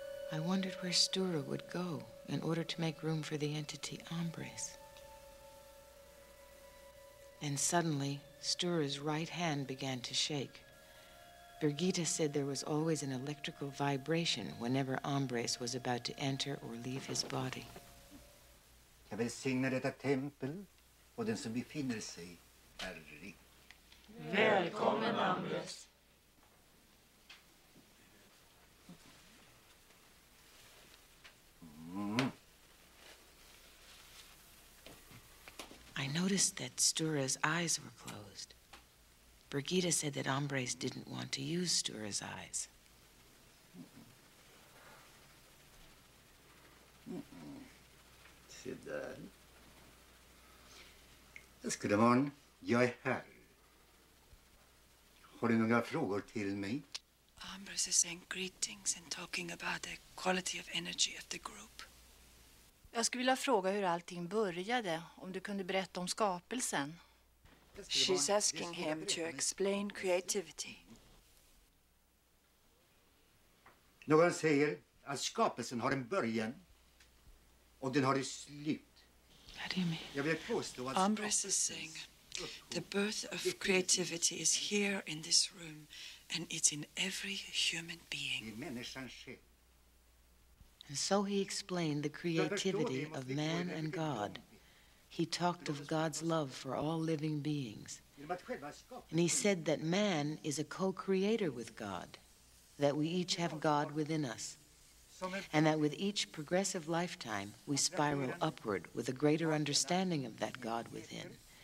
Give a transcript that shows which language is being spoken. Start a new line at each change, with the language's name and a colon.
English: I wondered where Stura would go in order to make room for the entity Ombres. Then suddenly, Stura's right hand began to shake. Birgitta said there was always an electrical vibration whenever Ombres was about to enter or leave his body.
Swedish: Jag välsignar detta tempel och den som befinner sig här. Välkommen, Ombres.
English: I noticed that Stura's eyes were closed. Birgitta said that Ombres didn't want to use Stura's eyes.
Swedish: Se där. Älskade barn, jag är här. Har du några frågor till mig?
English: Ombres is saying greetings and talking about the quality of energy of the group.
Swedish: Jag skulle vilja fråga hur allting började, om du kunde berätta om skapelsen.
English: She's asking him to explain creativity.
Swedish: Någon säger att skapelsen har en början och den har ett slut.
English: What do you mean?
Swedish: Jag vill påstå att
English: Ombres is saying the birth of creativity is here in this room and it's in every human being.
Swedish: I människan själv.
English: And so he explained the creativity of man and God. He talked of God's love for all living beings. And he said that man is a co-creator with God, that we each have God within us, and that with each progressive lifetime, we spiral upward with a greater understanding of that God within.